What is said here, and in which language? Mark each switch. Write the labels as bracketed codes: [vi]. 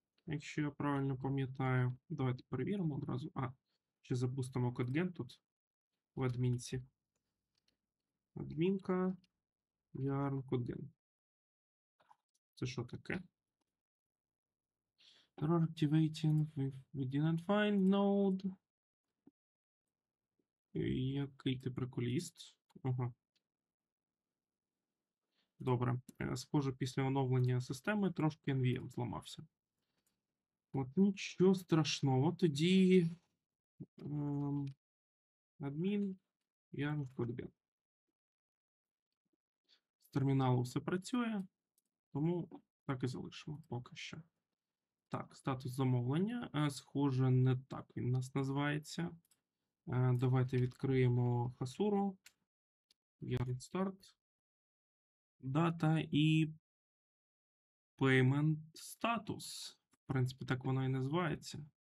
[uk] Якщо я правильно пам'ятаю, давайте перевіримо одразу. А, ще запустимо CodeGen тут в адмінці. Адмінка Yarn CodeGen. Це що таке? [en] Error activating. We didn't find node. [uk] Який ти прикуліст? Ага. Добре. Схоже, після оновлення системи трошки NVM зламався. От нічого страшного. Тоді адмін Yarn CodeGen. З терміналу все працює, тому так і залишимо поки що. Так, статус замовлення. Схоже, не так він у нас називається. Давайте відкриємо Хасуру, Yarn Start, Data і Payment Status. В принципі, так воно і називається.